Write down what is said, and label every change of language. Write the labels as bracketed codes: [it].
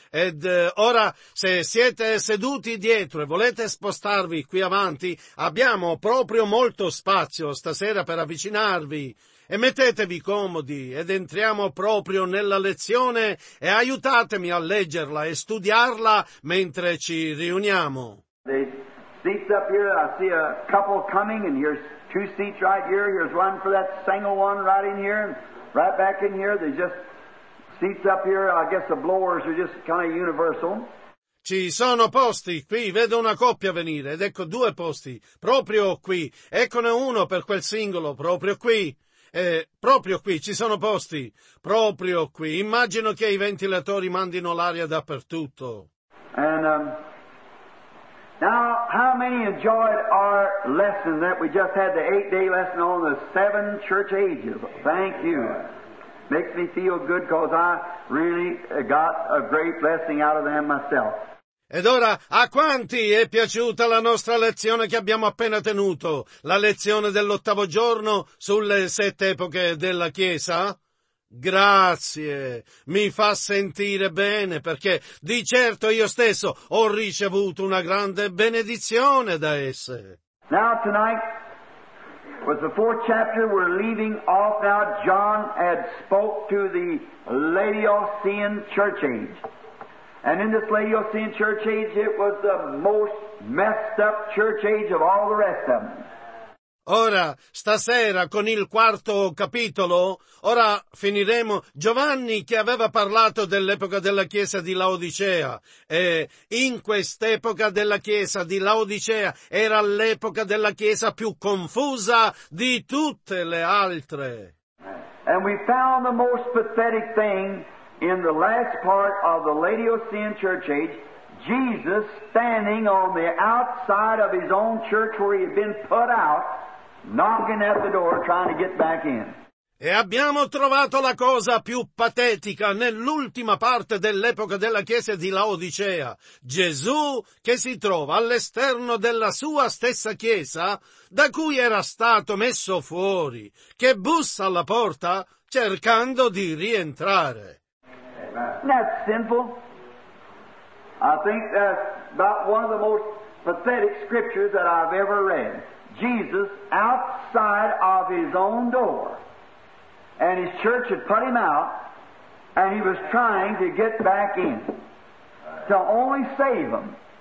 [it] Ed ora, se siete seduti dietro e volete spostarvi qui avanti, abbiamo proprio molto spazio stasera per avvicinarvi. E mettetevi comodi ed entriamo proprio nella lezione e aiutatemi a leggerla e studiarla mentre ci riuniamo. [en] The seats up here, I see a couple coming and here's two seats right here. Here's one for that single one right in here and right back in here. There's just seats up here, I guess the blowers are just kind of universal. [it] Ci sono posti qui, vedo una coppia venire, ed ecco due posti, proprio qui. Eccone uno per quel singolo, proprio qui. Proprio qui, ci sono posti, proprio qui. Immagino che i ventilatori mandino l'aria dappertutto. [en] Now, how many enjoyed our lesson that we just had, the 8-day lesson on the seven church ages? Thank you. Makes me feel good because I really got a great blessing out of them myself. [it] Ed ora, a quanti è piaciuta la nostra lezione che abbiamo appena tenuto? La lezione dell'ottavo giorno sulle sette epoche della Chiesa? Grazie, mi fa sentire bene perché di certo io stesso ho ricevuto una grande benedizione da esse. [en] Now tonight was the fourth chapter, we're leaving off now. John had spoke to the Laodicean church age. And in this Laodicean church age, it was the most messed up church age of all the rest of them. [it] Ora, stasera, con il quarto capitolo, ora finiremo Giovanni che aveva parlato dell'epoca della Chiesa di Laodicea. E in quest'epoca della Chiesa di Laodicea era l'epoca della Chiesa più confusa di tutte le altre. [en] And we found the most pathetic thing in the last part of the Laodicean church age, Jesus standing on the outside of his own church where he had been put out, knocking at the door, trying to get back in. [it] E abbiamo trovato la cosa più patetica nell'ultima parte dell'epoca della Chiesa di Laodicea. Gesù che si trova all'esterno della sua stessa Chiesa, da cui era stato messo fuori, che bussa alla porta cercando di rientrare. [en] That's simple. I think that's about one of the most pathetic scriptures that I've ever read. Jesus outside of his own door, and his church had put him out, and he was trying to get back in to only save him.